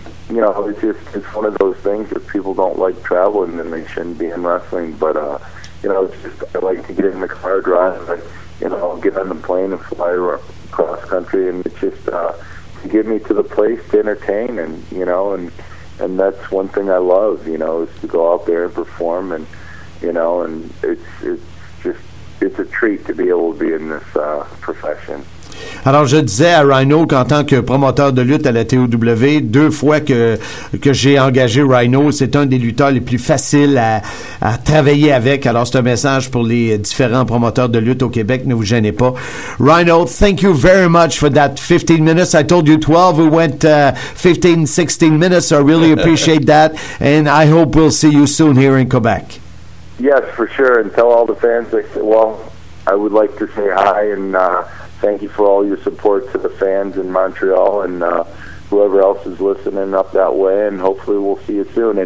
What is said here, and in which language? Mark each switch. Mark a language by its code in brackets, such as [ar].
[en] You know, it's just, it's one of those things that people don't like traveling, and they shouldn't be in wrestling, but, you know, it's just, I like to get in the car, drive, and, you know, get on the plane and fly across country, and it's just, to get me to the place to entertain, and, you know, and that's one thing I love, you know, is to go out there and perform, and, you know, and it's a treat to be able to be in this profession. [fr] Alors, je disais à Rhino qu'en tant que promoteur de lutte à la TOW, deux fois que j'ai engagé Rhino, c'est un des lutteurs les plus faciles à travailler avec. Alors, c'est un message pour les différents promoteurs de lutte au Québec. Ne vous gênez pas. [en] Rhino, thank you very much for that 15 minutes. I told you 12. We went 15, 16 minutes. I really appreciate that. And I hope we'll see you soon here in Quebec. Yes, for sure, and tell all the fans, I would like to say hi, and thank you for all your support to the fans in Montreal and whoever else is listening up that way, and hopefully we'll see you soon.